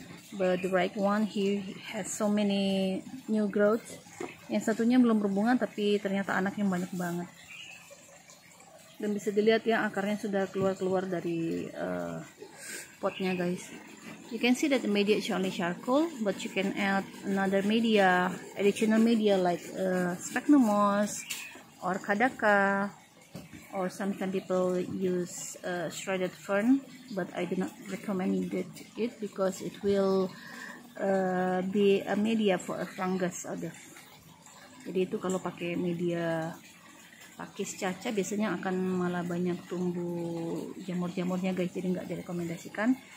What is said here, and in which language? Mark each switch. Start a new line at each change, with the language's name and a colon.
English: But the right one here has so many new growth.
Indonesian: Yang satunya belum berbunga tapi ternyata anaknya banyak banget. Dan bisa dilihat ya akarnya sudah keluar-keluar dari potnya guys.
English: You can see that the media is only charcoal, but you can add another media, additional media like sphagnum moss or kadaka, or sometimes people use shredded fern, but I do not recommend it because it will be a media for a fungus other.
Indonesian: Jadi itu kalau pakai media pakis caca biasanya akan malah banyak tumbuh jamur-jamurnya guys, jadi nggak direkomendasikan.